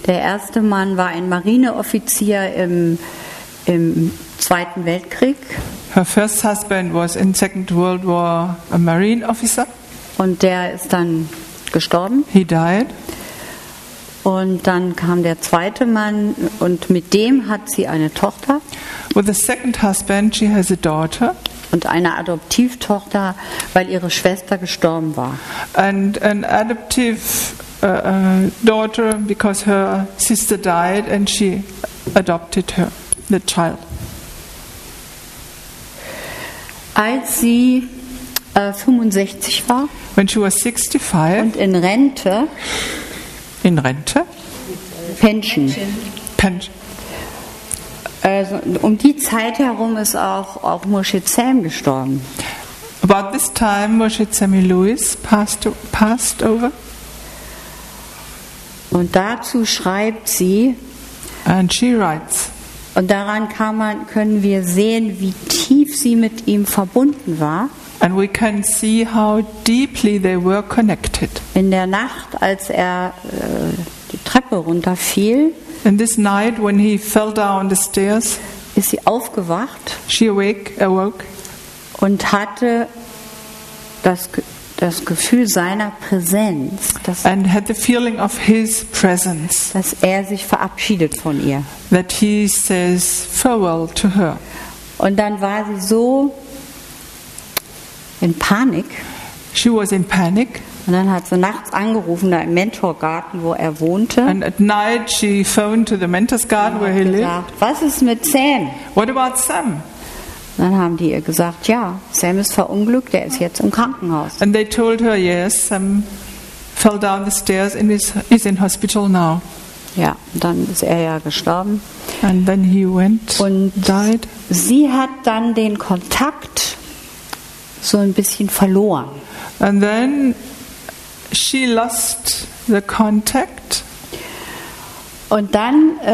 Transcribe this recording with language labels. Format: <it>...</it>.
<de>Der erste Mann war ein Marineoffizier im Zweiten Weltkrieg.</de> <en>Her first husband was in Second World War a Marine officer.</en> <de>Und der ist dann gestorben.</de> <en>He died.</en> <de>Und dann kam der zweite Mann und mit dem hat sie eine Tochter.</de> <en>With the second husband, she has a daughter.</en> <de>Und eine Adoptivtochter, weil ihre Schwester gestorben war.</de> <en>And an adoptive daughter, because her sister died and she adopted her, the child.</en> <de>Als sie 65 war.</de> <en>When she was 65.</en> <de>Und in Rente. In Rente?</de> <en>Pension. Pension.</en> <de>Also um die Zeit herum ist auch Murshid Sam gestorben.</de> <en>About this time Murshid Sammy Lewis passed over.</en> <de>Und dazu schreibt sie.</de> <en>And she writes.</en> <de>Und daran können wir sehen, wie tief sie mit ihm verbunden war.</de> <en>And we can see how deeply they were connected.</en> <de>In der Nacht, als er die Treppe runterfiel,</de> <en>in this night when he fell down the stairs,</en> <de>ist sie aufgewacht.</de> <en>She awoke.</en> <de>Und hatte das Gefühl seiner Präsenz.</de> <en>And had the feeling of his presence.</en> <de>Dass er sich verabschiedet von ihr.</de> <en>That he says farewell to her.</en> <de>Und dann war sie so in Panik.</de> <en>She was in panic.</en> <de>Und dann hat sie nachts angerufen da im Mentorgarten, wo er wohnte.</de> <en>And at night she phoned to the mentor's garden where he</en> <de>gesagt,</de> <en>lived.</en> <de>Was ist mit Sam?</de> <en>What about Sam?</en> <de>Und dann haben die ihr gesagt, ja, Sam ist verunglückt, der ist jetzt im Krankenhaus.</de> <en>And they told her, yes, Sam fell down the stairs and is in hospital now.</en> <de>Ja, dann ist er ja gestorben.</de> <en>And then he went</en> <de>und</de> <en>died.</en> <de>Sie hat dann den Kontakt so ein bisschen verloren.</de> <en>And then she lost the contact.</en> <de>Und dann</de>